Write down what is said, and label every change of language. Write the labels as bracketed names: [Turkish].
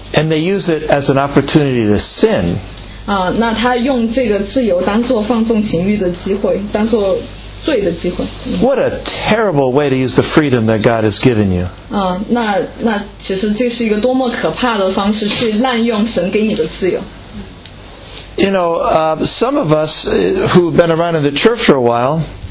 [English] And they use it as an opportunity to sin. [Chinese] 那他用这个自由当做放纵情欲的机会，当做罪的机会。 [English] What a terrible way to use the freedom that God has given you. [Chinese] 那其实这是一个多么可怕的方式去滥用神给你的自由。 [English] You know, some of us who've been around in the church for a while.